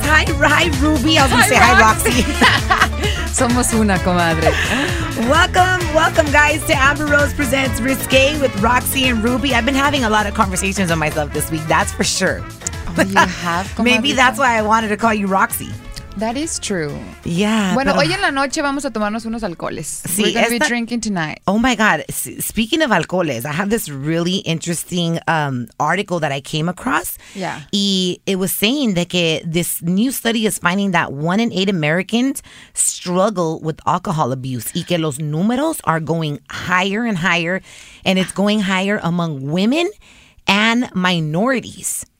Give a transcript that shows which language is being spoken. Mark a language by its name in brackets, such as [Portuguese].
[English] Hi, Ruby. I was going to say Roxy. [Spanish] Somos una, comadre. [English] Welcome, guys, to Amber Rose Presents Risqué with Roxy and Ruby. I've been having a lot of conversations with myself this week. That's for sure. You have, comadre. Maybe that's why I wanted to call you Roxy. That is true. Yeah. [Spanish] Bueno, pero, hoy en la noche vamos a tomarnos unos alcoholes. Sí, [English] we're going to be drinking tonight. Oh, my God. Speaking of alcoholes, I have this really interesting article that I came across. Yeah. Y it was saying that this new study is finding that 1 in 8 Americans struggle with alcohol abuse. [Spanish] Y que los números [English] are going higher and higher. And it's going higher among women and minorities.